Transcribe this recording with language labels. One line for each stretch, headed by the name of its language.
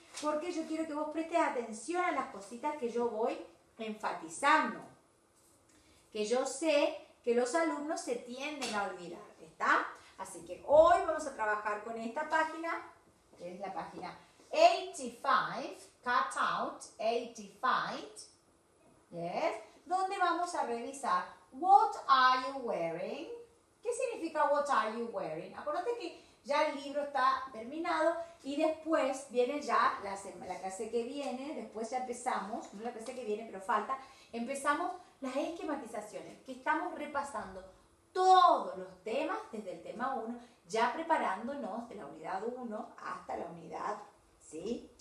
Spanish: Porque yo quiero que vos prestes atención a las cositas que yo voy enfatizando. Que yo sé que los alumnos se tienden a olvidar, ¿está? Así que hoy vamos a trabajar con esta página, que es la página 85, cutout 85, ¿yes? Donde vamos a revisar,
English: what are you wearing?
Spanish: ¿Qué significa
English: what are you wearing?
Spanish: Acuérdate que ya el libro está terminado y después viene ya la clase que viene, después ya empezamos, no la clase que viene, pero falta, empezamos las esquematizaciones, que estamos repasando todos los temas desde el tema 1, ya preparándonos de la unidad 1 hasta la unidad, ¿sí?